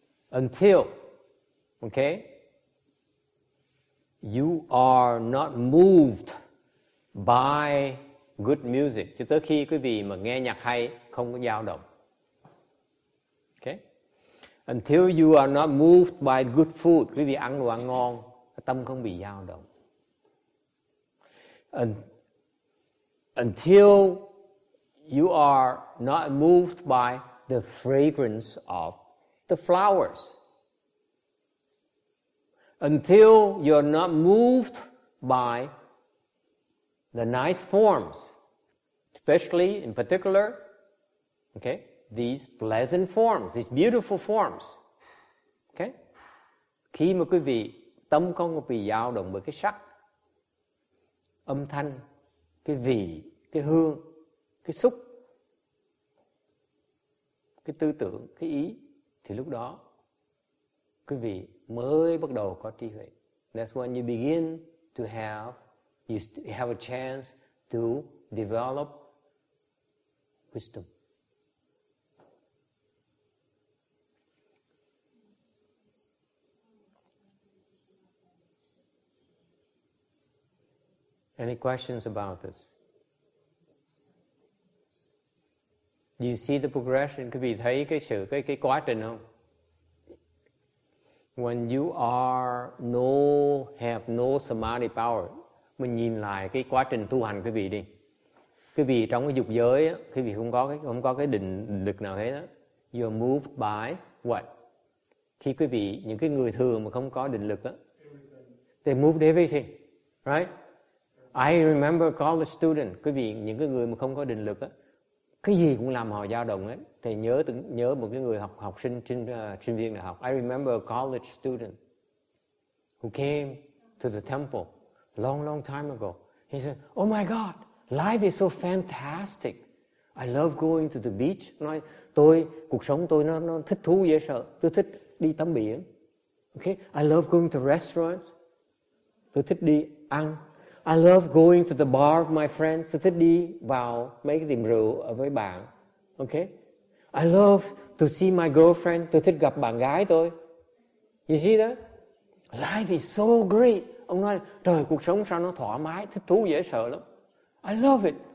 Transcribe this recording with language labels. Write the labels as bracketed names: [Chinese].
[English] Until, okay? You are not moved by good music. [Vietnamese] Cho tới khi quý vị mà nghe nhạc hay, không có dao động. [English] Until you are not moved by good food, [Vietnamese] quý vị ăn đồ ăn ngon, tâm không bị dao động. [English] Until you are not moved by the fragrance of the flowers. Until you are not moved by the nice forms, especially in particular, okay? These pleasant forms, these beautiful forms. Okay? [Vietnamese] Khi mà quý vị tâm không có bị dao động bởi cái sắc, âm thanh, cái vị, cái hương, cái xúc, cái tư tưởng, cái ý, thì lúc đó quý vị mới bắt đầu có trí huệ. [English] That's when you begin to have, you have a chance to develop wisdom. Any questions about this? Do you see the progression? [Vietnamese] Quý vị thấy cái quá trình không? [English] When you have no samadhi power, [Vietnamese] mình nhìn lại cái quá trình tu hành quý vị đi. Quý vị trong cái dục giới, quý vị không có cái định lực nào hết. [English] You are moved by what? [Vietnamese] Khi quý vị, những cái người thường mà không có định lực, [English] they moved everything, right? I remember college student, [Vietnamese] quý vị, những cái người mà không có định lực á, cái gì cũng làm họ dao động ấy. Thầy nhớ một cái người học sinh trên sinh viên đại học. [English] I remember a college student who came to the temple long long time ago. He said, "Oh my God, life is so fantastic. I love going to the beach." [Vietnamese] Nói, tôi cuộc sống tôi nó thích thú dễ sợ. Tôi thích đi tắm biển. [English] Okay, I love going to restaurants. [Vietnamese] Tôi thích đi ăn. [English] I love going to the bar with my friends. [Vietnamese] Tôi thích đi vào mấy cái tiệm rượu ở với bạn. Okay? [English] I love to see my girlfriend. [Vietnamese] Tôi thích gặp bạn gái tôi. [English] You see that? Life is so great. [Vietnamese] Ông nói, trời, cuộc sống sao nó thoải mái, thích thú dễ sợ lắm. [English] I love it.